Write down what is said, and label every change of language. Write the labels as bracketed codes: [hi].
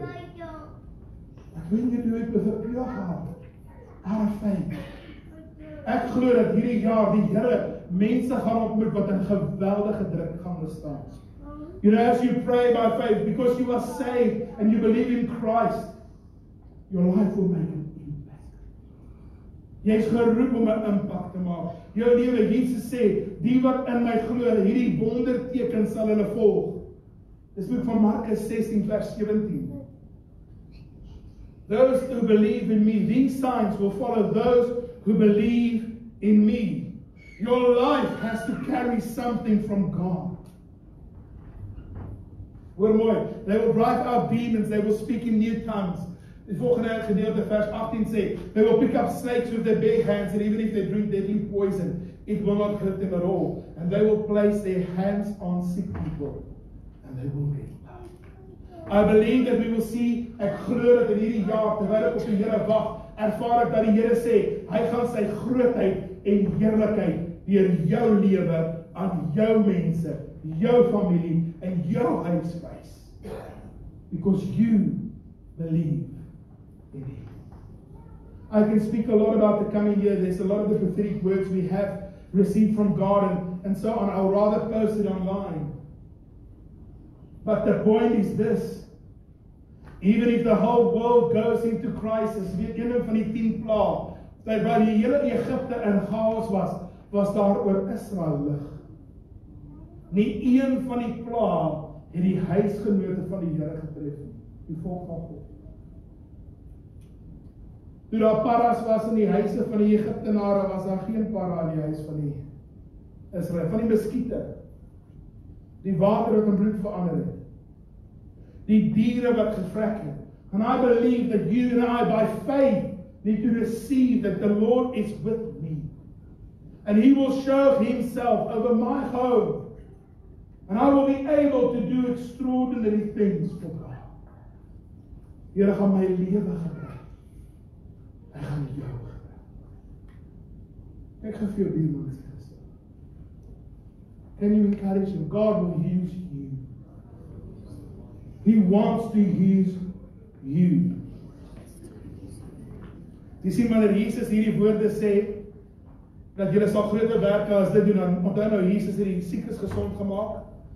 [en] But when you do it with a pure heart, out of faith. [af] Ek glo dat hierdie jaar die Here mense gaan ontmoet wat in geweldige druk gaan bestaan. [en] You know, as you pray by faith, because you are saved and you believe in Christ, your life will make an impact. [af] Jy is geroep om 'n impact te maak. Jou lewe, Jesus sê, die wat in my glo, hierdie wonderteken sal hulle volg. Dis boek van Markus 16 vers 17. [en] Those who believe in me, these signs will follow those who believe in me. Your life has to carry something from God. [af] Hoor mooi, [en] they will drive out demons, they will speak in new tongues. [af] Die volgende gedeelte vers 18 sê, [en] they will pick up snakes with their bare hands, and even if they drink deadly poison, it will not hurt them at all. And they will place their hands on sick people, and they will get well. I believe that we will see, [af] ek glo dat in hierdie jaar, terwyl ek op die Here wag, ervaar ek dat die Here sê, hy gaan sy grootheid en heerlikheid deur jou lewe aan jou mense, jou familie en jou huis wys. [en] Because you believe. I can speak a lot about the coming year. There's a lot of the prophetic words we have received from God and so on. I'll rather post it online. But the point is this. Even if the whole world goes into crisis, we are in [af] van die 10 plaag, dat waar die hele Egypte in chaos was, was daar oor Israel lig. Nie een van die plaag het die huisgenote van die Here getref. Die volk van God. Toe daar paras was in die huise van die Egiptenare, was daar geen para in die huis van die Israel, van die muskiete. Die water het in bloed verander het. Die diere wat gevrek het. [en] And I believe that you and I by faith need to receive that the Lord is with me. And he will show himself over my home. And I will be able to do extraordinary things for God. [af] Here gaan my lewe gebruik. Hy gaan jou gebruik. Ek geef jou die man sy gesê. [en] Can you encourage him? God will use you. He wants to use you. [af] Jy sien, wanneer Jesus hierdie woorde sê, dat jy sal groter werke as dit doen, want dan nou Jesus hierdie siekes gesond gemaakt,